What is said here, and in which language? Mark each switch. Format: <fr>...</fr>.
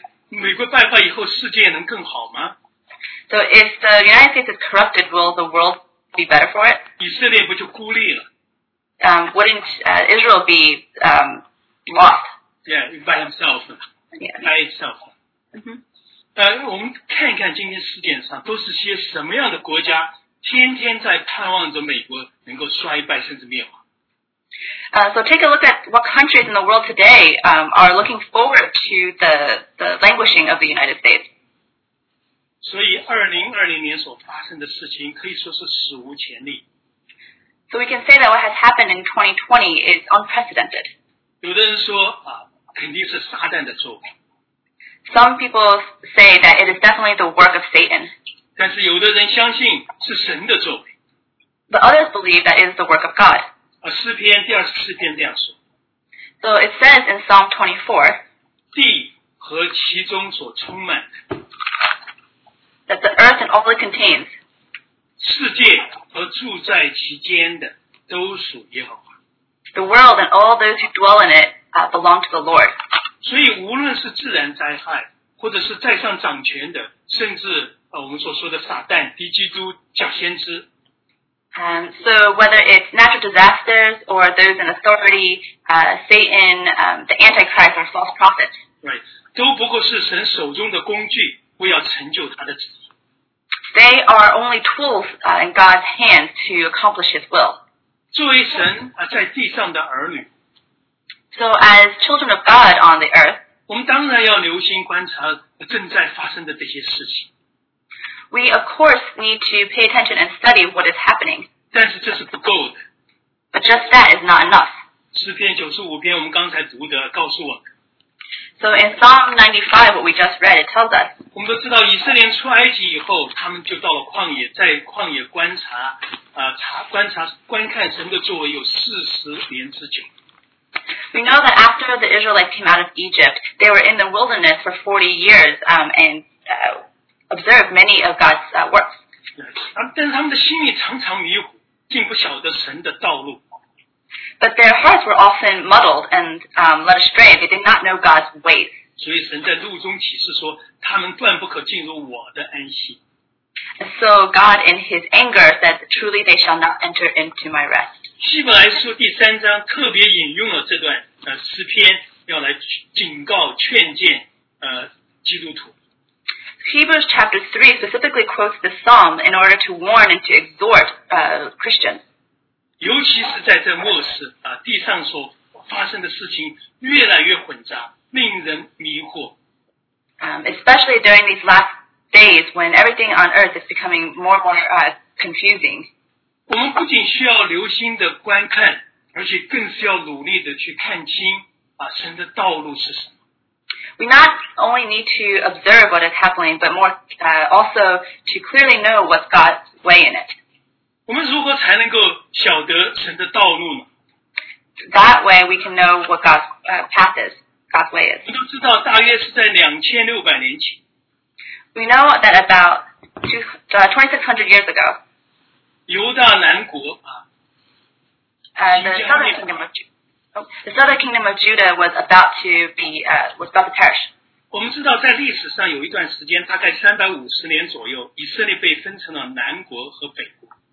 <zh>美国败坏以后世界能更好吗？</zh> <en>So if the United States is corrupted, will the world be better for it?</en> <zh>以色列不就孤立了？</zh> <en>Wouldn't Israel be lost? Yeah, by himself. By itself. Mm-hmm.</en> <zh>我们看一看今天世界上都是些什么样的国家天天在盼望着美国能够衰败甚至灭亡。</zh> <en>So take a look at what countries in the world today are looking forward to the languishing of the United States.</en> <zh>所以2020年所发生的事情可以说是史无前例。</zh> <en>So we can say that what has happened in 2020 is unprecedented.</en> <zh>有的人说肯定是撒旦的作为。</zh> <en>Some people say that it is definitely the work of Satan.</en> <zh>但是有的人相信是神的作为。</zh> <en>But others believe that it is the work of God.</en> <zh>诗篇第二十四篇这样说。</zh> <en>So it says in Psalm 24,</en> <zh>地和其中所充满的。</zh> <en>That the earth and all it contains.</en> <zh>世界和住在其间的都属耶和华。</zh> <en>The world and all those who dwell in it belong to the Lord.</en> <zh>所以无论是自然灾害或者是在上掌权的甚至我们所说的撒旦敌基督假先知。</zh> <en>So whether it's natural disasters or those in authority, Satan, the Antichrist or false prophets. Right.</en> <zh>都不过是神手中的工具为要成就他的旨意。</zh> <en>They are only tools in God's hand to accomplish his will.</en> <zh>作为神在地上的儿女。</zh> <en>So as children of God on the earth,</en> <zh>我们当然要留心观察正在发生的这些事情。</zh> <en>We of course need to pay attention and study what is happening.</en> <zh>但是这是不够的。</zh> <en>But just that is not enough.</en> <zh>诗篇95篇我们刚才读的告诉我。</zh> <en>So in Psalm 95, what we just read, it tells us.</en> <zh>我们都知道以色列出埃及以后，他们就到了旷野，在旷野观看神的作为有40年之久。</zh> <en>We know that after the Israelites came out of Egypt, they were in the wilderness for 40 years observed many of God's works.</en> <zh>但他们的心里常常迷糊，竟不晓得神的道路。</zh> <en>But their hearts were often muddled and led astray. They did not know God's ways.</en> <zh>所以神在路中启示说，他们断不可进入我的安息。</zh> <en>So God in his anger said, truly they shall not enter into my rest.</en> <zh>希伯来书第三章特别引用了这段诗篇要来警告劝诫基督徒。</zh> <en>Hebrews chapter 3 specifically quotes the psalm in order to warn and to exhort Christians.</en> <zh>尤其是在这末世地上所发生的事情越来越混杂令人迷惑。</zh> <en>Especially during these last days when everything on earth is becoming more and more confusing.</en> <zh>我们不仅需要留心的观看，而且更是要努力的去看清神的道路是什么。</zh> <en>We not only need to observe what is happening, but more also to clearly know what's God's way in it.</en> <zh>我们如何才能够晓得神的道路呢？</zh> <en>That way we can know what God's path is, God's way is.</en> <zh>我们都知道大约是在2600年前。</zh> <en>We know that about 2,600 years ago,</en> <zh>犹大南国</zh> <en>the southern kingdom of Judah was about to be was about to perish.</en> <zh>我们知道在历史上有一段时间，大概350年左右，以色列被分成了南国和北国。</zh>